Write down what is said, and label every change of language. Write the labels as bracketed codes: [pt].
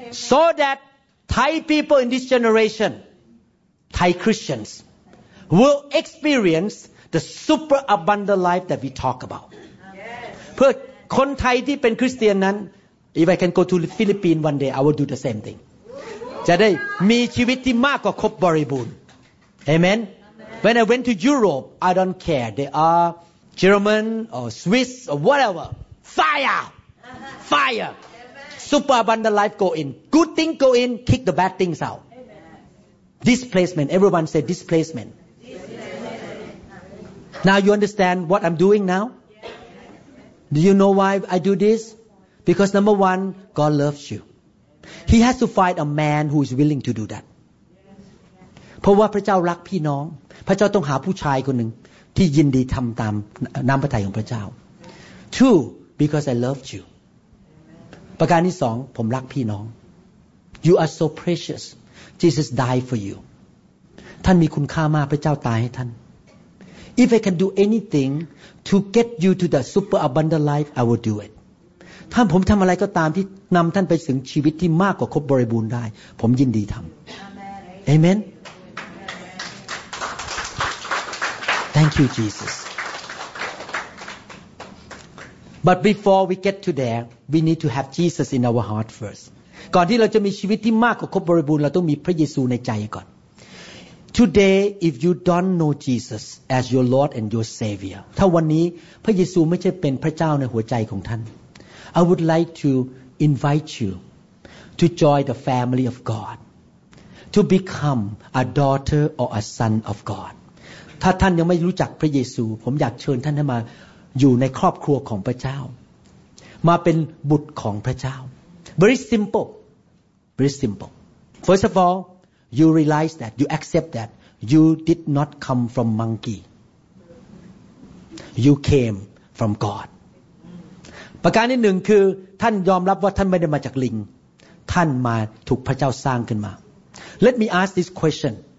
[en] so that Thai people in this generation Thai Christians will experience the super abundant life that we talk about [th] เพื่อคนไทยที่เป็นคริสเตียนนั้น [en] if I can go to Philippines one day I will do the same thing [th] จะได้มีชีวิตที่มากกว่าครบบริบูรณ์เอเมน [en] When I went to Europe I don't care they are German or Swiss or whatever fire Amen. Super abundant life go in good thing go in kick the bad things out Amen. Displacement everyone say displacement Now you understand what I'm doing now Do you know why I do this because number one God loves youHe has to find a man who is willing to do that. [th] เพราะว่าพระเจ้ารักพี่น้องพระเจ้าต้องหาผู้ชายคนหนึ่งที่ยินดีทำตามน้ำพระทัยของพระเจ้า [en] Two, because I love you. [th] ประการที่สองผมรักพี่น้อง [en] You are so precious. Jesus died for you. [th] ท่านมีคุณค่ามากพระเจ้าตายให้ท่าน [en] If I can do anything to get you to the super abundant life, I will do it. [th] ถ้าผมทำอะไรก็ตามที่นำท่านไปถึงชีวิตที่มากกว่าครบบริบูรณ์ได้ผมยินดีทำเอเมน [en] Thank you Jesus But before we get to there we need to have Jesus in our heart first [th] ก่อนที่เราจะมีชีวิตที่มากกว่าครบบริบูรณ์เราต้องมีพระเยซูในใจก่อน [en] Today if you don't know Jesus as your Lord and your Savior [th] ถ้าวันนี้พระเยซูไม่ใช่เป็นพระเจ้าในหัวใจของท่าน [en] I would like to invite you to join the family of God, to become a daughter or a son of God. [th] ถ้าท่านยังไม่รู้จักพระเยซูผมอยากเชิญท่านให้มาอยู่ในครอบครัวของพระเจ้ามาเป็นบุตรของพระเจ้า [en] Very simple. First of all, you realize that, you accept that you did not come from monkey. you came from God. [th] ประการที่หนึ่งคือท่านยอมรับว่าท่านไม่ได้มาจากลิงท่านมาถูกพระเจ้าสร้างขึ้นมา [en] Let me ask this question.